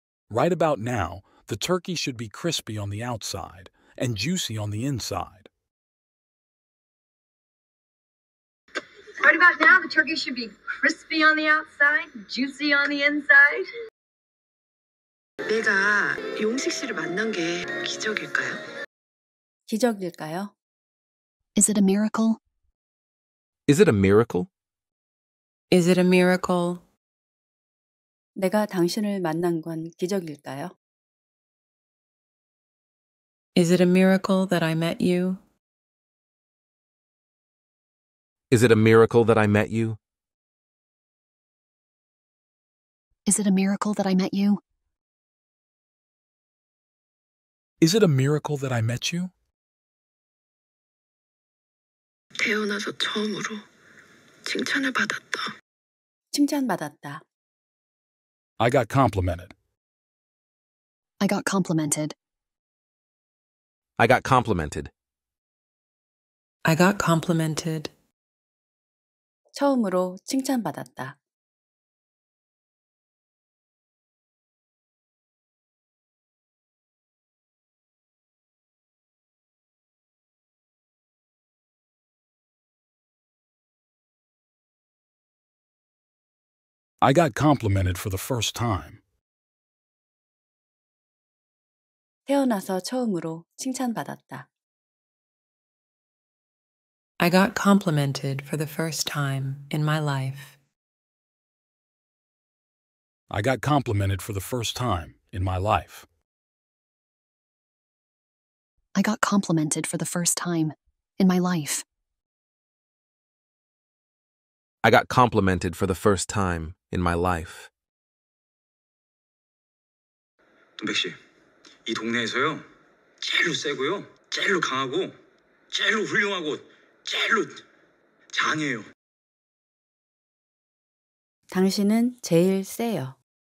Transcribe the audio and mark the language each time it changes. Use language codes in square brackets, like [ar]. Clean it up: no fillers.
[en] Right about now, the turkey should be crispy on the outside and juicy on the inside. Right about now, the turkey should be crispy on the outside, juicy on the inside. [ko] 내가 용식 씨를 만난 게 기적일까요? 기적일까요? [en] Is it a miracle? Is it a miracle? Is it a miracle? [ko] 내가 당신을 만난 건 기적일까요? [en] Is it a miracle that I met you? Is it a miracle that I met you? Is it a miracle that I met you? Is it a miracle that I met you? [ko] 태어나서 처음으로 칭찬을 받았다. 칭찬받았다. [en] I got complimented. I got complimented. I got complimented. I got complimented. [ko] 처음으로 칭찬받았다. [en] I got complimented for the first time. [ko] 태어나서 처음으로 칭찬받았다. [en] I got complimented for the first time in my life. I got complimented for the first time in my life. I got complimented for the first time in my life. I got complimented for the first time in my life. [ko] 동백 씨, 이 동네에서요, 제일 세고요, 제일 강하고, 제일 훌륭하고, 제일 장해요. 당신은 제일 세요.